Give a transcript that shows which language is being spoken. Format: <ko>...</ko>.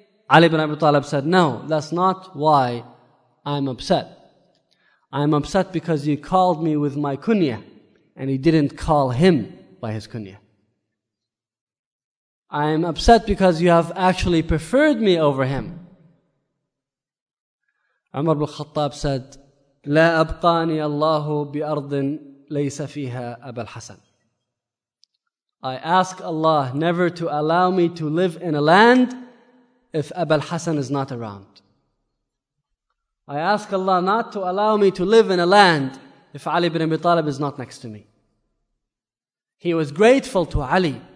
<en>Ali ibn Abi Talib said, no, that's not why I'm upset. I'm upset because you called me with my kunya and he didn't call him by his kunya. I'm upset because you have actually preferred me over him.</en> <ar>Umar ibn Khattab said, لا أبقاني الله بأرض ليس فيها أبا الحسن.</ar> <en>I ask Allah never to allow me to live in a land if Abu al-Hasan is not around. I ask Allah not to allow me to live in a land if Ali ibn Abi Talib is not next to me. He was grateful to Ali</en>